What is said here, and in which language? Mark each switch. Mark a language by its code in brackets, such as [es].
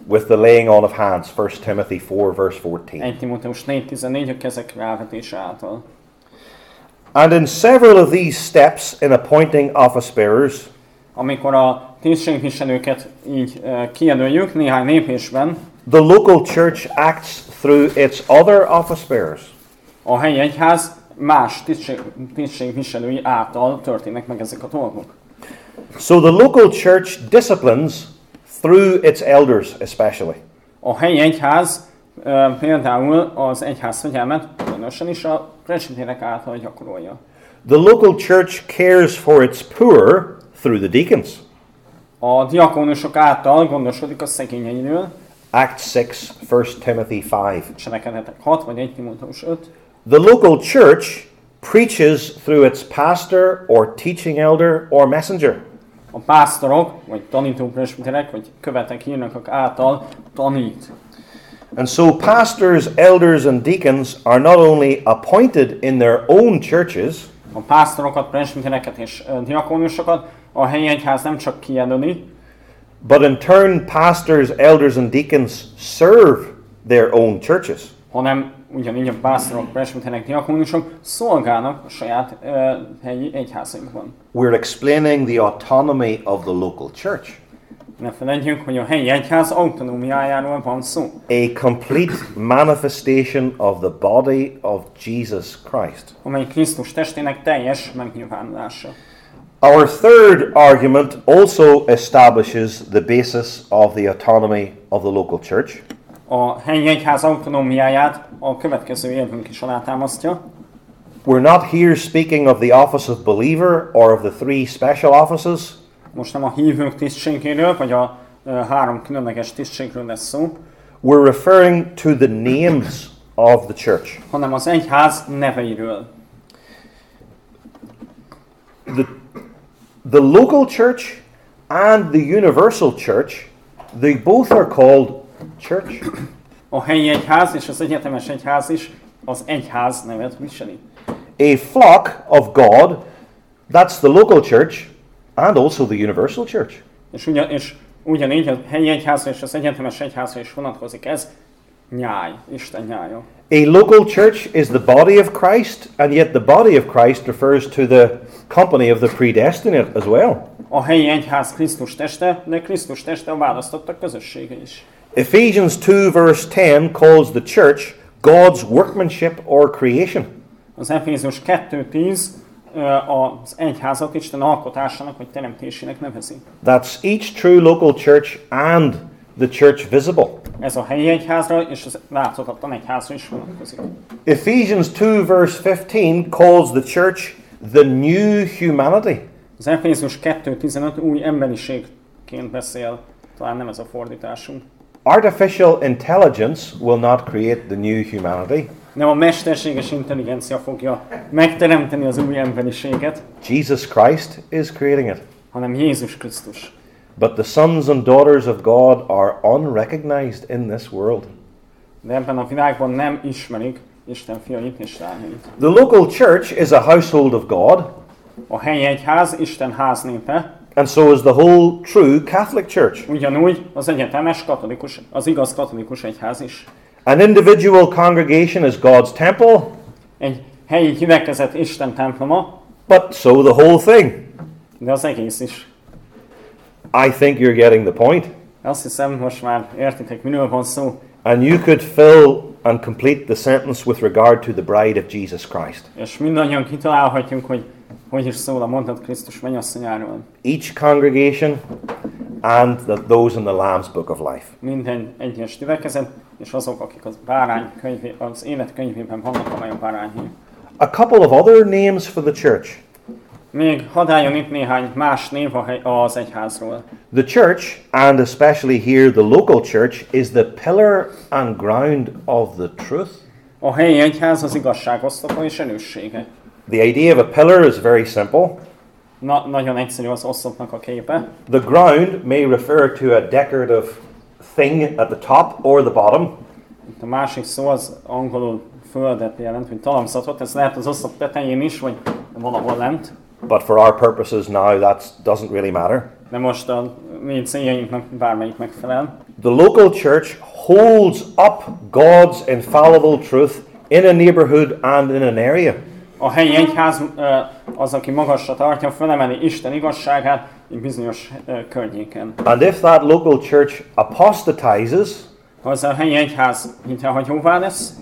[en] With the laying on of hands, 1 Timothy 4, verse 14. [hu] 1 Timóteus 4:14, a kezek rávetése által. [en] And in several of these steps in appointing office bearers, [hu] amikor a tisztségviselőket így kijelöljük néhány lépésben, [en] the local church acts through its other office bearers. [hu] A helyi egyház más tisztségviselői által történnek meg ezek a dolgok. [en] So the local church disciplines through its elders especially. [hu] A helyi egyház például az egyház fegyelmet különösen is a presbiterek által gyakorolja. [en] The local church cares for its poor through the deacons. [hu] A diakónusok által gondoskodik a szegényeiről. [en] Acts 6, 1 Timothy 5. [hu] Cselekedetek 6, vagy 1 Timóteus 5. [en] The local church preaches through its pastor or teaching elder or messenger. [hu] A pásztorok, vagy tanító presbiterek, vagy követek, hírnökök által tanít. [en] And so pastors, elders and deacons are not only appointed in their own churches. [hu] A pásztorokat, presbitereket és diakónusokat a helyi egyház nem csak kijelöli. [en] But in turn, pastors, elders and deacons serve their own churches. [hu] Hanem ugyanígy a pásztorok, presbiterek, diakónusok szolgálnak a saját helyi egyházunkban. [en] We're explaining the autonomy of the local church. [hu] Ne felejtjük, hogy a helyi egyház autonómiájáról van szó. [en] A complete manifestation of the body of Jesus Christ. [hu] Amely Krisztus testének teljes megnyilvánulása. [en] Our third argument also establishes the basis of the autonomy of the local church. [hu] A helyi egyház autonómiáját a következő érvünk is alátámasztja. [en] We're not here speaking of the office of believer or of the three special offices. [hu] Most nem a hívők tisztségéről, vagy a három különleges tisztségről lesz szó. [en] We're referring to the names of the church. [hu] Hanem az egyház neveiről. [en] The local church and the universal church, they both are called church. [hu] A helyi egyház és az egyetemes egyház is az egyház nevet viseli. [en] A flock of God, that's the local church and also the universal church. [hu] És ugyanígy a helyi egyház és az egyetemes egyház is vonatkozik ez, nyáj, Isten nyája. [en] A local church is the body of Christ, and yet the body of Christ refers to the company of the predestinate as well. [hu] A helyi egyház Krisztus teste, de Krisztus teste a választottak közössége is. [en] Ephesians 2 verse 10 calls the church God's workmanship or creation. [hu] Az Efézus 2:10 az egyházat Isten alkotásának vagy teremtésének nevezi. [en] That's each true local church and the church visible. [hu] Ez a helyi egyházra és az láthatatlan egyházra is vonatkozik. [en] Ephesians 2 verse 15 calls the church the new humanity. [hu] Az Efézus 2:15 új emberiségként beszél, talán nem ez a fordításunk. [en] Artificial intelligence will not create the new humanity. [hu] Nem a mesterséges intelligencia fogja megteremteni az új emberiséget. [en] Jesus Christ is creating it. [hu] Hanem Jézus Krisztus. [en] But the sons and daughters of God are unrecognized in this world. [hu] De ebben a világban nem ismerik Isten fiait és lányait. [en] The local church is a household of God. [hu] A helyi egyház Isten háznépe. [en] And so is the whole true Catholic Church. [hu] Ugyanúgy az egyetemes katolikus, az igaz katolikus egyház is. [en] An individual congregation is God's temple. [hu] Egy helyi gyülekezet Isten temploma. [en] But so the whole thing. [hu] De az egész is. [en] I think you're getting the point. [hu] Azt hiszem, most már értitek, miről van szó. [en] And you could fill and complete the sentence with regard to the bride of Jesus Christ. [hu] És mindannyian kitalálhatjunk, hogy hogy is szól a mondat Krisztus mennyasszonyáról. [en] Each congregation and the, those in the Lamb's Book of Life. [hu] Minden egyes gyülekezet és azok, akik az bárány könyvé, az élet könyvében vannak, amely a bárányhű. [en] A couple of other names for the church. [hu] Még hadd álljon itt néhány más név az egyházról. [en] The church, and especially here the local church, is the pillar and ground of the truth. [hu] A helyi egyház az igazság oszlopa és erőssége. [en] The idea of a pillar is very simple. [hu] Nagyon egyszerű az oszlopnak a képe. [en] The ground may refer to a decorative thing at the top or the bottom. [hu] Itt a másik szó az angolul földet jelent, hogy talamszatot. Ez lehet az oszlop tetején is, vagy valahol lent. [en] But for our purposes now, that doesn't really matter. [hu] De most a mi céljainknak bármelyik megfelel. [en] The local church holds up God's infallible truth in a neighborhood and in an area. [hu] A helyi egyház az, aki magasra tartja, felemeli Isten igazságát egy bizonyos környéken. [en] And if that local church apostatizes, [hu] ha az a helyi egyház hitelhagyóvá lesz,